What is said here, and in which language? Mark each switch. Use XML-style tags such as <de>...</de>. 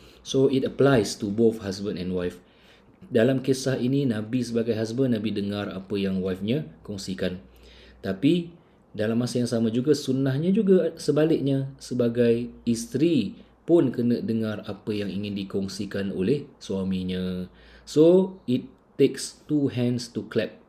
<en>So, it applies to both husband and wife.</en> <ms>Dalam kisah ini, Nabi sebagai husband, Nabi dengar apa yang wife-nya kongsikan. Tapi dalam masa yang sama juga, sunnahnya juga sebaliknya, sebagai isteri pun kena dengar apa yang ingin dikongsikan oleh suaminya.</ms> <en>So, it takes two hands to clap.</en>